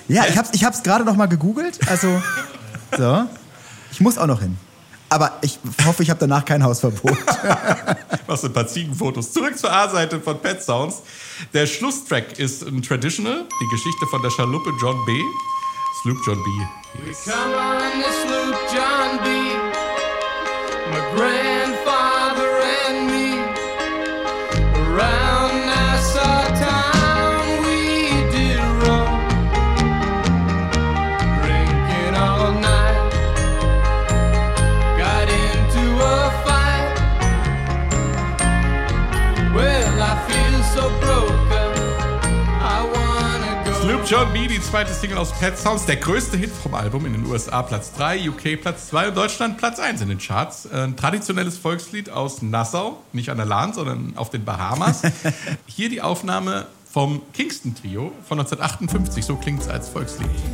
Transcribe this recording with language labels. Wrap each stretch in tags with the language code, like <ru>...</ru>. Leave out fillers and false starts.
<de>Ja, ich hab's gerade noch mal gegoogelt. Also, so. Ich muss auch noch hin. Aber ich hoffe, ich habe danach kein Hausverbot. Machst du ein paar Ziegenfotos. Zurück zur A-Seite von Pet Sounds. Der Schlusstrack ist ein Traditional. Die Geschichte von der Schaluppe John B.</de> <en>Sloop John B. Yes. We come on the Sloop John B. My grandfather and me. Around Nassau town we did roam, drinking all night, got into a fight. Well, I feel so broken, I wanna go.</en> <de>Sloop John B., die zweite Single aus Pet Sounds, der größte Hit vom Album, in den USA Platz 3, UK Platz 2 und Deutschland Platz 1 in den Charts. Ein traditionelles Volkslied aus Nassau, nicht an der Lahn, sondern auf den Bahamas. Hier die Aufnahme vom Kingston Trio von 1958, so klingt es als Volkslied.</de>